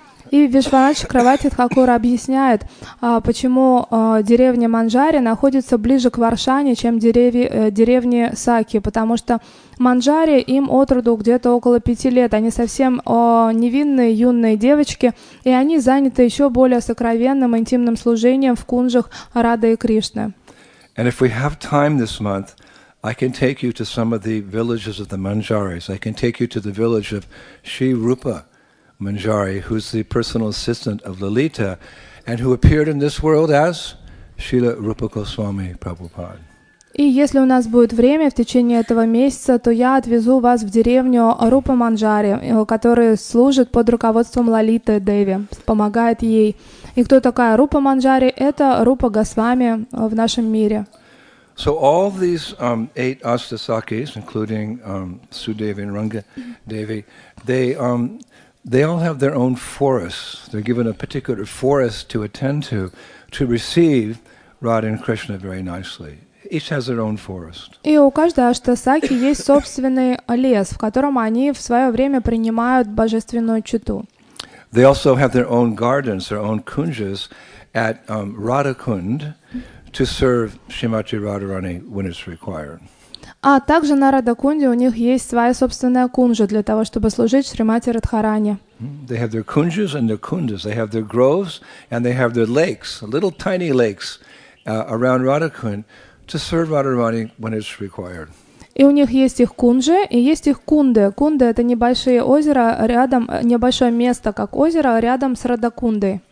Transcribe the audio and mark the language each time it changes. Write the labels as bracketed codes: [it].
[ru] И Вишванатх Чакравати Тхакур объясняет, почему деревня Манджари находится ближе к Варшане, чем деревни Саки, потому что Манджари им от роду где-то около 5 лет, они совсем невинные юные девочки, и они заняты еще более сокровенным интимным служением в кунжах Рады и Кришны. [en] And if we have time this month, I can take you to some of the villages of the Manjaris. I can take you to the village of Sri Rupa Manjari, who's the personal assistant of Lalita, and who appeared in this world as Srila Rupa Goswami Prabhupada. [ru] И если у нас будет время в течение этого месяца, то я отвезу вас в деревню Рупа Манджари, которая служит под руководством Лалиты Деви, помогает ей. И кто такая Рупа Манджари? Это Рупа Госвами в нашем мире. [en] So all of these eight astasakhis, including Sudevi and Ranga Devi, they all have their own forests. They're given a particular forest to attend to receive Radha and Krishna very nicely. Each has their own forest. [ru] И у каждой аштасакхи есть собственный лес, в котором они в свое время принимают божественную читу. [en] They also have their own gardens, their own kunjas at Radhakund, to serve Srimati Radharani when it's required. [ru] А также на Радхакунде у них есть своя собственная кунжа для того, чтобы служить Шримати Радхарани. [en] They have their kunjas and their kundas. They have their groves and they have their lakes, little tiny lakes around Radhakund to serve Radharani when it's required. [ru] И у них есть их кунжи и есть их кунды. Кунды — это небольшие озера рядом, небольшое место, как озеро, рядом с Радхакундой.